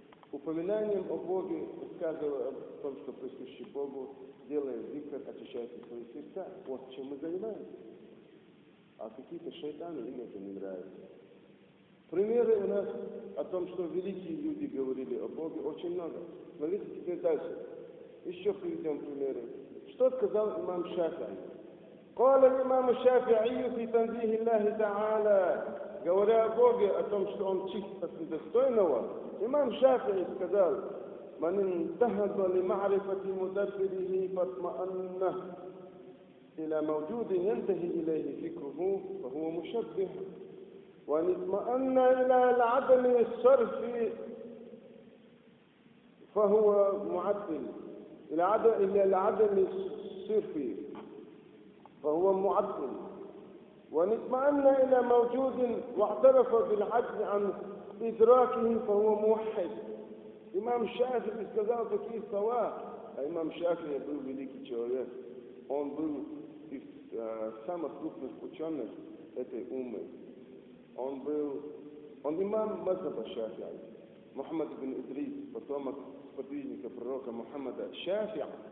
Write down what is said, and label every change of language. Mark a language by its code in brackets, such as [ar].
[ru] Упоминанием о Боге, рассказывая о том, что присущи Богу, делая зикр, очищая свои сердца. Вот чем мы занимаемся. А какие-то шайтаны, им это не нравится. Примеры у нас о том, что великие люди говорили о Боге, очень много. Смотрите теперь дальше. Еще приведем примеры. Что сказал имам Шафии? [ar] قال الإمام الشافعي في تنزيه الله تعالى [ru] говоря о Боге, о том, что он чист от недостойного, имам Шафии сказал: [ar] من انتهز لمعرفة مدبره فاطمأن إلى موجود ينتهي إليه فكره فهو مشبه وإن اطمأن إلى العدم الصرف فهو معدل إلى العدم الصرف فهو معدل وإن اطمأن إلى موجود واعترف بالعدل عن إدراكه فهو موحد. [ru] Имам Шафии сказал такие слова. А имам Шафии был великий человек. Он был из самых крупных ученых этой уммы. Он имам Мазхаба Шафии. Мухаммад ибн Идрис, потомок сподвижника пророка Мухаммада Шафия.